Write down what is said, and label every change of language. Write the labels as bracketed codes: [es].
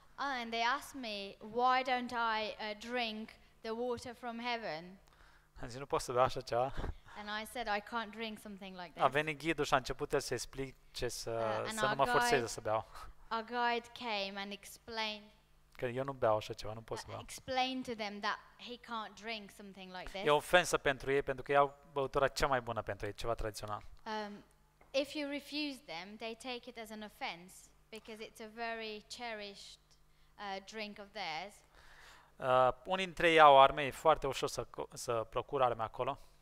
[en] And they asked me why don't I drink the water from heaven. [ro] Zis, nu pot să beau așa ceva. [en] And I said I can't drink something like [ro] that. A venit ghidul și a început el să explic ce să nu mă forțeze să beau. [en] Our guide came and explained. [ro] Că eu nu beau așa ceva, nu pot să beau. [en] Explain to them that he can't drink something like this. [ro] E o ofensă pentru ei, pentru că iau băutura cea mai bună pentru ei, ceva tradițional. [en] If you refuse them, they take it as an offense because it's a very cherished drink of theirs. [ro] Unii dintre ei au arme, e foarte ușor să procur arme acolo.